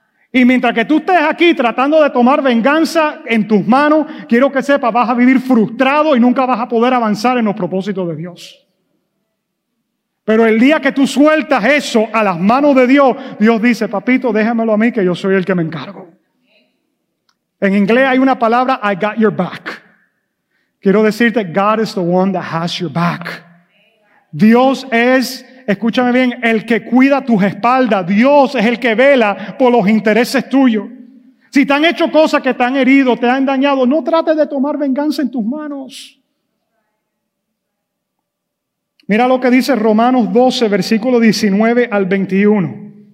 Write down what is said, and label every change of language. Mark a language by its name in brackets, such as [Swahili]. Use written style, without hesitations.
[Spanish] Y mientras que tú estés aquí tratando de tomar venganza en tus manos, quiero que sepas, vas a vivir frustrado y nunca vas a poder avanzar en los propósitos de Dios. Pero el día que tú sueltas eso a las manos de Dios, Dios dice, papito, déjamelo a mí que yo soy el que me encargo. En inglés hay una palabra, [English] I got your back. [Spanish] Quiero decirte, [English] God is the one that has your back. [Spanish] Dios es, escúchame bien, el que cuida tus espaldas. Dios es el que vela por los intereses tuyos. Si te han hecho cosas que te han herido, te han dañado, no trates de tomar venganza en tus manos. Mira lo que dice Romanos 12, versículo 19 al 21.